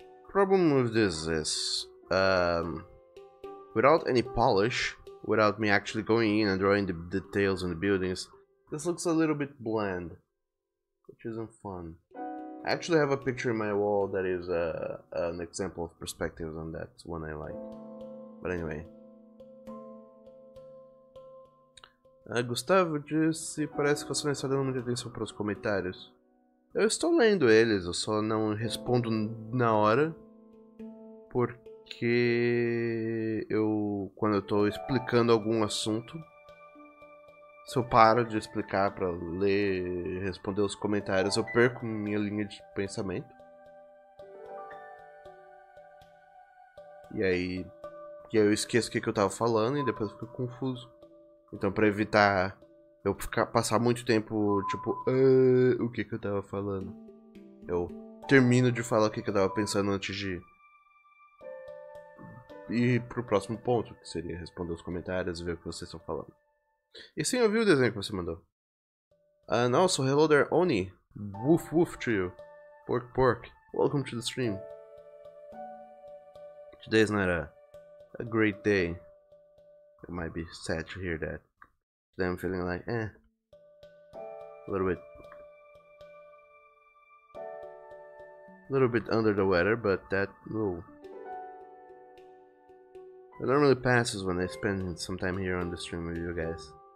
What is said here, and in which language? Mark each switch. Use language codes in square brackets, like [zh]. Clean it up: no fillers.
[en] Problem with this is, without any polish, without me actually going in and drawing the details on the buildings, this looks a little bit bland, which isn't fun. I actually have a picture in my wall that is an example of perspectives on that one I like. But anyway. [pt] Gustavo disse, parece que você não está dando muita atenção para os comentários. Eu estou lendo eles, eu só não respondo na hora, porque... Porque eu, quando eu estou explicando algum assunto, se eu paro de explicar para ler e responder os comentários, eu perco minha linha de pensamento. E aí eu esqueço o que eu estava falando e depois fico confuso. Então, para evitar eu ficar, passar muito tempo, tipo, o que eu estava falando, eu termino de falar o que eu estava pensando antes de... E pro próximo ponto, que seria responder os comentários e ver o que vocês estão falando. E sim, eu vi o desenho que você mandou. [en] And also, hello there, Oni. Woof woof to you. Pork pork. Welcome to the stream. Today's not a a great day. It might be sad to hear that. Today I'm feeling like, eh. A little bit under the weather, but that, ooh. It normally passes when I spend some time here on the stream with you guys.